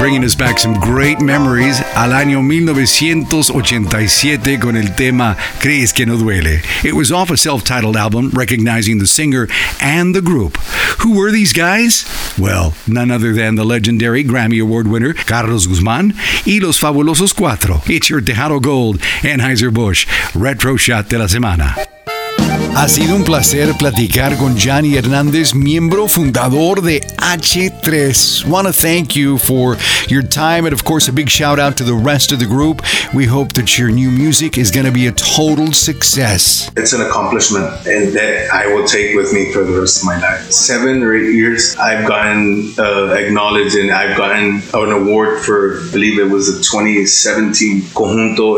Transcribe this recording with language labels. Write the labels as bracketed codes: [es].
[en] Bringing us back some great memories [es] al año 1987 con el tema ¿Crees que no duele? [en] It was off a self-titled album recognizing the singer and the group. Who were these guys? Well, none other than the legendary Grammy Award winner Carlos Guzmán y Los Fabulosos Cuatro. It's your Tejano Gold, Anheuser-Busch, Retro Shot de la Semana. [es] Ha sido un placer platicar con Johnny Hernández, miembro fundador de H3. [en] Want to thank you for your time and, of course, a big shout out to the rest of the group. We hope that your new music is going to be a total success. It's an accomplishment and that I will take with me for the rest of my life. 7 or 8 years, I've gotten acknowledged and I've gotten an award for, I believe it was the 2017 Conjunto.